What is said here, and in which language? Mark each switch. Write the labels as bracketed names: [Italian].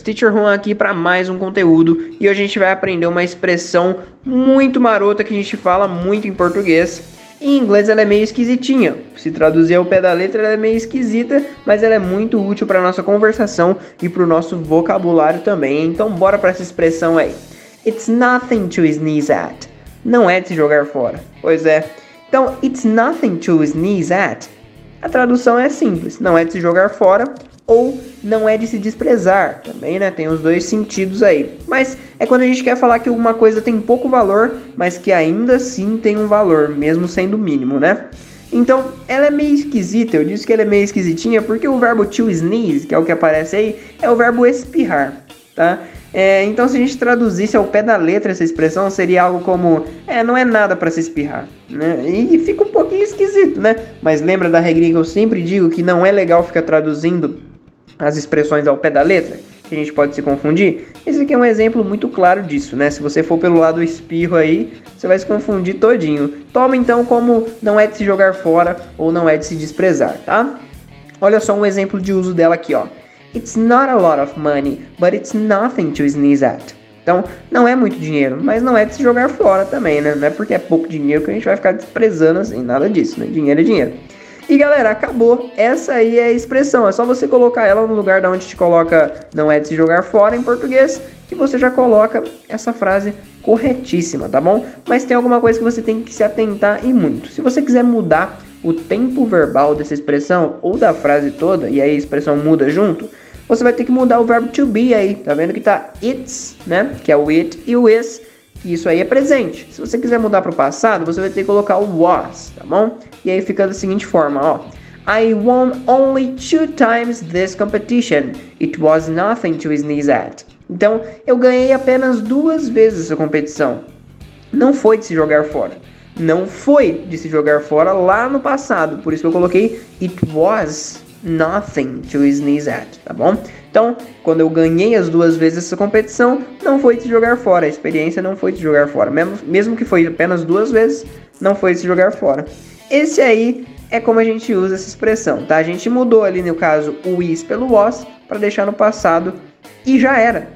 [Portuguese] Teacher Juan aqui para mais um conteúdo e hoje a gente vai aprender uma expressão muito marota que a gente fala muito em português. Em inglês ela é meio esquisitinha, se traduzir ao pé da letra ela é meio esquisita, mas ela é muito útil para nossa conversação e para o nosso vocabulário também, então bora para essa expressão aí. [English] It's nothing to sneeze at. [Portuguese] Não é de se jogar fora. Pois é. [English] Então, it's nothing to sneeze at. [Portuguese] A tradução é simples. Não é de se jogar fora ou não é de se desprezar. Também, né? Tem os dois sentidos aí. Mas é quando a gente quer falar que alguma coisa tem pouco valor, mas que ainda assim tem um valor, mesmo sendo mínimo, né? Então, ela é meio esquisita. Eu disse que ela é meio esquisitinha porque o verbo to sneeze, que é o que aparece aí, é o verbo espirrar, tá? Então, se a gente traduzisse ao pé da letra essa expressão, seria algo como... não é nada para se espirrar, né? E fica um pouquinho esquisito, né? Mas lembra da regrinha que eu sempre digo que não é legal ficar traduzindo as expressões ao pé da letra? Que a gente pode se confundir? Esse aqui é um exemplo muito claro disso, né? Se você for pelo lado espirro aí, você vai se confundir todinho. Toma, então, como não é de se jogar fora ou não é de se desprezar, tá? Olha só um exemplo de uso dela aqui, ó. [English] It's not a lot of money, but it's nothing to sneeze at. [Portuguese] Então, não é muito dinheiro, mas não é de se jogar fora também, né? Não é porque é pouco dinheiro que a gente vai ficar desprezando assim, nada disso, né? Dinheiro é dinheiro. E galera, acabou. Essa aí é a expressão. É só você colocar ela no lugar da onde te coloca não é de se jogar fora em português, que você já coloca essa frase corretíssima, tá bom? Mas tem alguma coisa que você tem que se atentar e muito. Se você quiser mudar o tempo verbal dessa expressão ou da frase toda, e aí a expressão muda junto, você vai ter que mudar o verbo to be aí. Tá vendo que tá it's, né? Que é o it e o is. E isso aí é presente. Se você quiser mudar pro passado, você vai ter que colocar o was, tá bom? E aí fica da seguinte forma, ó. [English] I won only 2 times this competition. It was nothing to sneeze at. [Portuguese] Então, eu ganhei apenas 2 vezes essa competição. Não foi de se jogar fora. Não foi de se jogar fora lá no passado. Por isso que eu coloquei [English] it was nothing to sneeze at, [Portuguese] tá bom? Então, quando eu ganhei as 2 vezes essa competição, não foi de se jogar fora. A experiência não foi de se jogar fora. Mesmo que foi apenas 2 vezes, não foi de se jogar fora. Esse aí é como a gente usa essa expressão, tá? A gente mudou ali, no caso, o is pelo was para deixar no passado e já era.